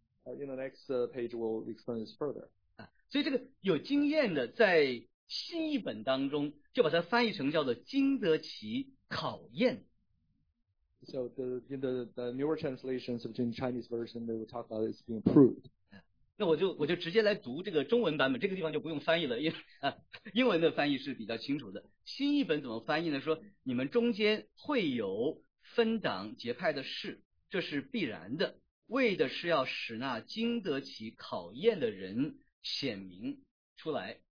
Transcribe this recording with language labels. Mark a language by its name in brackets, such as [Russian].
[English] In the next page, we'll explain this further. [Chinese] 所以这个有经验的在新译本当中就把它翻译成叫做经得起考验。 [English] So the newer translations of the Chinese version they will talk about is being proved. [Chinese] 那我就直接来读这个中文版本，这个地方就不用翻译了，英文的翻译是比较清楚的。新译本怎么翻译呢？说你们中间会有分党结派的事，这是必然的，为的是要使那经得起考验的人显明出来。